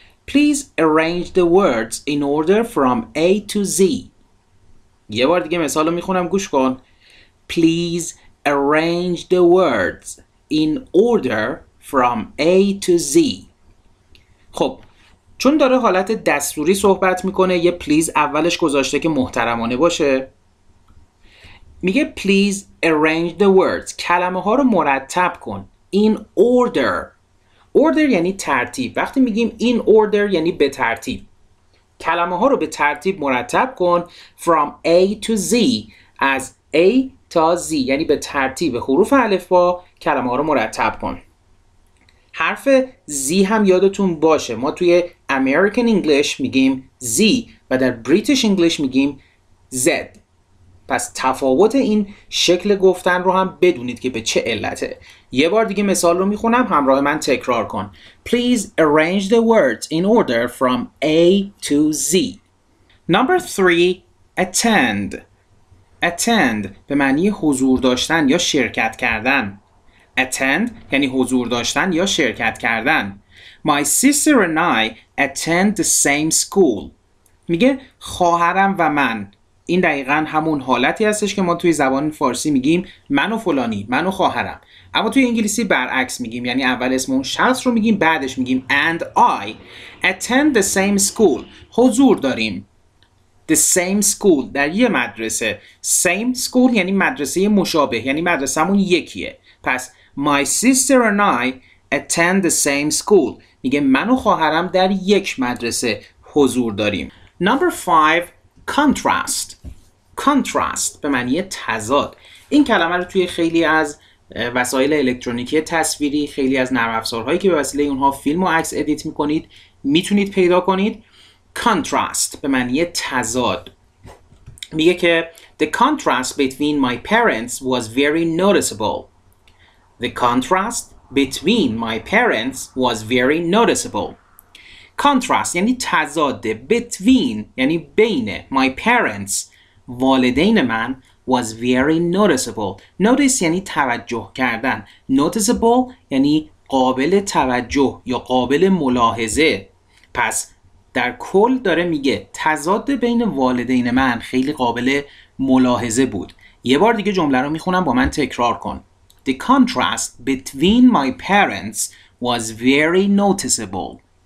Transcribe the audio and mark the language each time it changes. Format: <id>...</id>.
<en>Please arrange the words in order from A to Z.</en> <fa>یه بار دیگه مثال رو میخونم، گوش کن.</fa> <en>Please arrange the words in order from A to Z.</en> <fa>خب، چون داره حالت دستوری صحبت میکنه، یه please اولش گذاشته که محترمانه باشه. میگه</fa> <en>please arrange the words.</en> <fa>کلمه ها رو مرتب کن.</fa> <en>In order. Order</en> <fa>یعنی ترتیب. وقتی میگیم</fa> <en>in order</en> <fa>یعنی به ترتیب. کلمه ها رو به ترتیب مرتب کن.</fa> <en>From A to Z.</en> <fa>از A تا Z. یعنی به ترتیب حروف الف با کلمه ها رو مرتب کن. حرف Z هم یادتون باشه. ما توی American English میگیم Z و در British English میگیم Z. پس تفاوت این شکل گفتن رو هم بدونید که به چه علته. یه بار دیگه مثال رو میخونم، همراه من تکرار کن.</fa> <en>Please arrange the words in order from A to Z. Number three, attend.</en> <fa>Attend به معنی حضور داشتن یا شرکت کردن. Attend یعنی حضور داشتن یا شرکت کردن.</fa> <en>My sister and I attend the same school.</en> <fa>میگه خواهرم و من. این دقیقا همون حالتی هستش که ما توی زبان فارسی میگیم من و فلانی، من و خواهرم. اما توی انگلیسی برعکس میگیم، یعنی اول اسم اون شخص رو میگیم، بعدش میگیم</fa> <en>and I attend the same school.</en> <fa>حضور داریم.</fa> <en>The same school</en> <fa>در یه مدرسه.</fa> <en>Same school</en> <fa>یعنی مدرسه مشابه، یعنی مدرسه همون یکیه. پس</fa> <en>my sister and I attend the same school.</en> <fa>میگه من و خواهرم در یک مدرسه حضور داریم.</fa> <en>Number five, contrast. Contrast به معنی تضاد.</en> <fa>این کلمه رو توی خیلی از وسایل الکترونیکی تصویری، خیلی از نرم افزارهایی که به وسیله اونها فیلم و عکس ادیت میکنید میتونید پیدا کنید. Contrast به معنی تضاد. میگه که</fa> <en>the contrast between my parents was very noticeable. The contrast between my parents was very noticeable.</en> <fa>Contrast یعنی تضاده. Between یعنی بینه.</fa> <en>My parents</en> <fa>والدین من</fa> <en>was very noticeable.</en> <fa>Notice یعنی توجه کردن. Noticeable یعنی قابل توجه یا قابل ملاحظه. پس در کل داره میگه تضاد بین والدین من خیلی قابل ملاحظه بود. یه بار دیگه جمله رو میخونم، با من تکرار کن.</fa> <en>The contrast between my parents was very noticeable.</en>